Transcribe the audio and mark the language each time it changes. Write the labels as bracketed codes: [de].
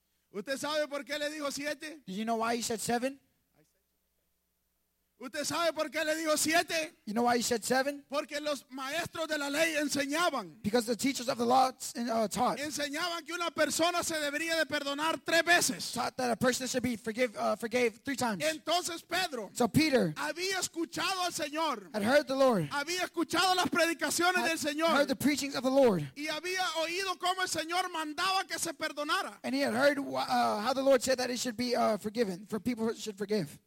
[es] ¿Usted sabe por qué le dijo siete? [en] Do you know why he said seven? [es] ¿Usted sabe por qué le dijo siete? [en] You know why he said seven? [es] Porque los maestros de la ley enseñaban. [en] Because the teachers of the law taught. [es] Enseñaban que una persona se debería de perdonar tres veces. [en] Taught that a person should be forgave three times. [es] Entonces Pedro. [en] So Peter. [es] Había escuchado al Señor. [en] Had heard the Lord. [es] Había escuchado las predicaciones del Señor. [en] Heard the preachings of the Lord. [es] Y había oído cómo el Señor mandaba que se perdonara. [en] And he had heard how the Lord said that it should be forgiven, for people should forgive.